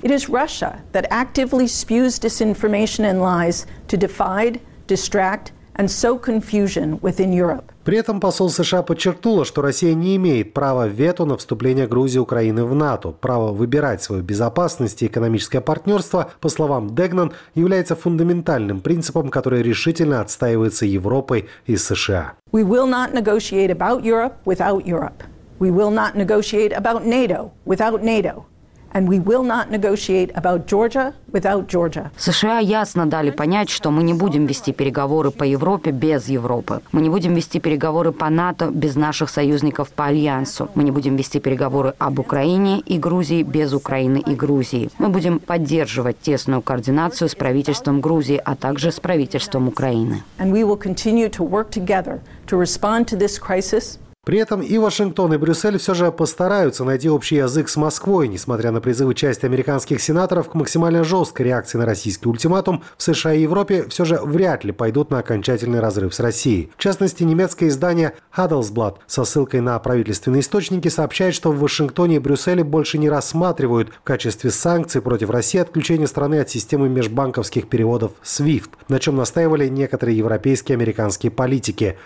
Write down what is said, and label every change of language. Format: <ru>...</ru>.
<ru>Это Россия, которая активно использует дезинформацию и лжи, чтобы дефицировать,</ru> <en>and sow confusion within Europe.</en> <ru>При этом посол США подчеркнула, что Россия не имеет права вето на вступление Грузии и Украины в НАТО. Право выбирать свою безопасность и экономическое партнерство, по словам Дегнан, является фундаментальным принципом, который решительно отстаивается Европой и США.</ru> <en>We will not negotiate about Europe without Europe. We will not negotiate about NATO without NATO. And we will not negotiate about Georgia without Georgia.</en> <ru>США ясно дали понять, что мы не будем вести переговоры по Европе без Европы. Мы не будем вести переговоры по НАТО без наших союзников по Альянсу. Мы не будем вести переговоры об Украине и Грузии без Украины и Грузии. Мы будем поддерживать тесную координацию с правительством Грузии, а также с правительством Украины.</ru> <en>And we will continue to work together to respond to this crisis.</en> <ru>При этом и Вашингтон, и Брюссель все же постараются найти общий язык с Москвой. Несмотря на призывы части американских сенаторов к максимально жесткой реакции на российский ультиматум, в США и Европе все же вряд ли пойдут на окончательный разрыв с Россией. В частности, немецкое издание Handelsblatt со ссылкой на правительственные источники сообщает, что в Вашингтоне и Брюсселе больше не рассматривают в качестве санкций против России отключение страны от системы межбанковских переводов SWIFT, на чем настаивали некоторые европейские и американские политики.</ru>